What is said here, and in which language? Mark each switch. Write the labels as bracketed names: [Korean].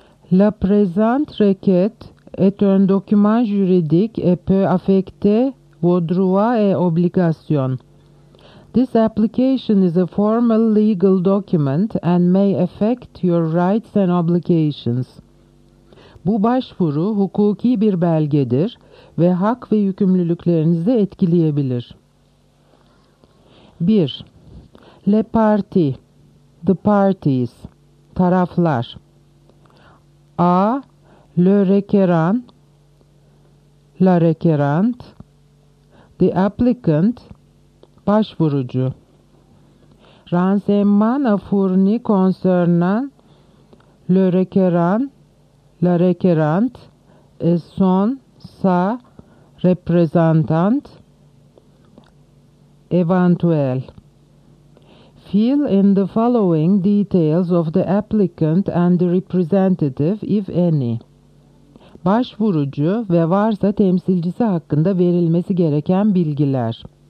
[French] La présente requête est un document juridique et peut affecter vos droits et obligations. [English] This application is a formal legal document and may affect your rights and obligations. [Turkish] Bu başvuru hukuki bir belgedir ve hak ve yükümlülüklerinizi etkileyebilir. [French] 1. Le parti, [English] the parties, [Turkish] taraflar. [French] A. Le requérant, la requérante, [English] the applicant, [Turkish] başvurucu. [French] Renseignement à fournir concernant le requérant, la requérante et son, sa représentante éventuelle. [English] Fill in the following details of the applicant and the representative, if any. [Turkish] Başvurucu ve varsa temsilcisi hakkında verilmesi gereken bilgiler.